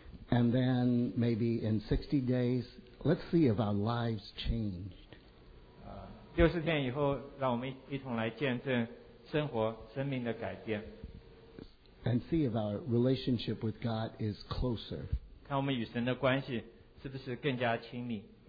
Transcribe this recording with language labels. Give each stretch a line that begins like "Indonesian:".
English: And then maybe in 60 days, let's see if our lives changed.
Chinese: 60天以后，让我们一同来见证生命的改变。
English: And see if our relationship with God is closer.
Chinese: 看我们与神的关系是不是更加亲密。